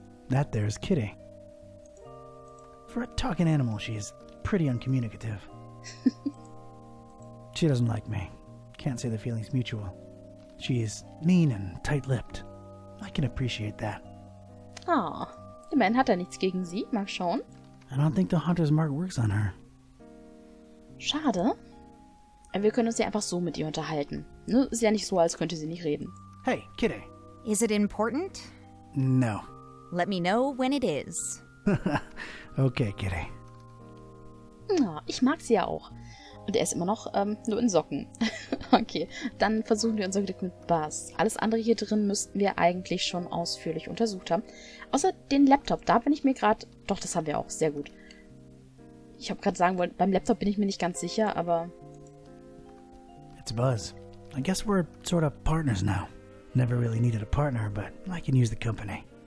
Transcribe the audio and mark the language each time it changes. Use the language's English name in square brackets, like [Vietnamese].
[English] That there is Kitty. For a talking animal, she is pretty uncommunicative. She doesn't like me. Can't say the feeling's mutual. She is mean and tight-lipped. I can appreciate that. [German] Aw, der Mann hat da nichts gegen sie. Mal schauen. [English] I don't think the Hunter's Mark works on her. [German] Schade. Wir können uns ja einfach so mit ihr unterhalten. Ist ja nicht so, als könnte sie nicht reden. [English] Hey, Kitty. Is it important? No. Let me know when it is. Okay, Kitty. [German] Ja, ich mag sie ja auch. Und er ist immer noch nur in Socken. Okay, dann versuchen wir unser Glück mit Buzz. Alles andere hier drin müssten wir eigentlich schon ausführlich untersucht haben. Außer den Laptop, da bin ich mir gerade... Doch, das haben wir auch. Sehr gut. Ich habe gerade sagen wollen, beim Laptop bin ich mir nicht ganz sicher, aber... [English] It's Buzz. I guess we're sort of partners now. Never really needed a partner, but I can use the company.